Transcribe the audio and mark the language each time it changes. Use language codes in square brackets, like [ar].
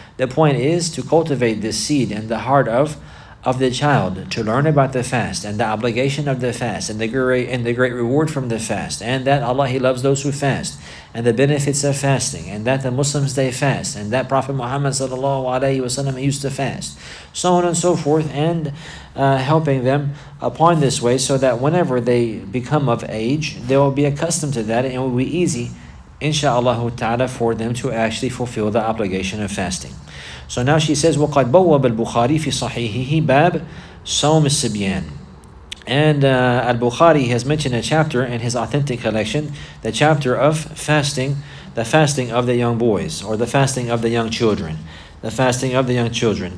[en] The point is to cultivate this seed in the heart of the child, to learn about the fast and the obligation of the fast and the great reward from the fast, and that Allah, He loves those who fast, and the benefits of fasting, and that the Muslims, they fast, and that Prophet Muhammad sallallahu alayhi wa sallam used to fast, so on and so forth, and helping them upon this way so that whenever they become of age, they will be accustomed to that, and it will be easy, insha'Allah ta'ala, for them to actually fulfill the obligation of fasting. So now she says, [ar] وَقَدْ بَوَّبَ الْبُخَارِي فِي صَحِيحِهِ بَابْ صَوْمِ السِّبْيَانِ. [en] And Al-Bukhari has mentioned a chapter in his authentic collection, the chapter of fasting, the fasting of the young boys, or the fasting of the young children. The fasting of the young children.